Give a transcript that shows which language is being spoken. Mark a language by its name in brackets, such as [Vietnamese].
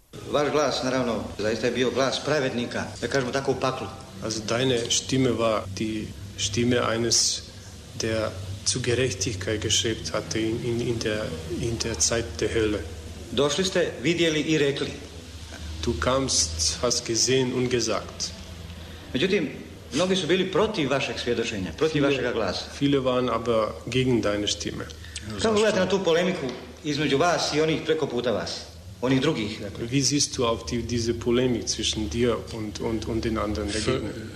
[Serbian] Vaš glas, naravno, zaista je bio glas pravednika, da kažemo tako u paklu. [German] Also deine Stimme war die Stimme eines, der zu Gerechtigkeit geschrebt hatte in der Zeit der Hölle. [Serbian] Došli ste, vidjeli i rekli. [German] Du kamst, hast gesehen und gesagt. [Serbian] Međutim, mnogi su bili protiv vašeg svjedočenja, protiv vašeg glasa. [German] Viele waren aber gegen deine Stimme. [Serbian] Kako gledate na tu polemiku između vas i onih preko puta vas? Onih drugih, dakle. [German] Wie siehst du auf diese Polemik zwischen dir und den anderen dagegen?